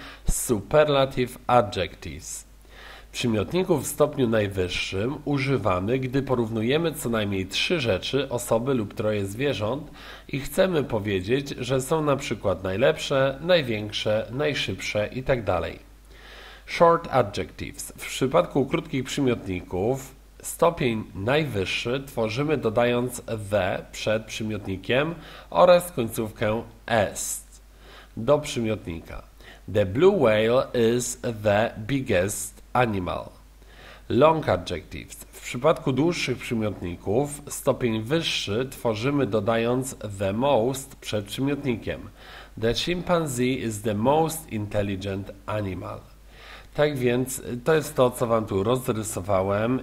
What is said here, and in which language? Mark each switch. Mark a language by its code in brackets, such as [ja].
[en] Superlative adjectives. [pl] Przymiotników w stopniu najwyższym używamy, gdy porównujemy co najmniej trzy rzeczy, osoby lub troje zwierząt i chcemy powiedzieć, że są na przykład najlepsze, największe, najszybsze itd. [en] Short adjectives. [pl] W przypadku krótkich przymiotników Stopień najwyższy tworzymy dodając the przed przymiotnikiem oraz końcówkę est do przymiotnika. [en] The blue whale is the biggest animal. Long adjectives. [pl] W przypadku dłuższych przymiotników stopień wyższy tworzymy dodając the most przed przymiotnikiem. [en] The chimpanzee is the most intelligent animal. [pl] Tak więc to jest to, co Wam tu rozrysowałem.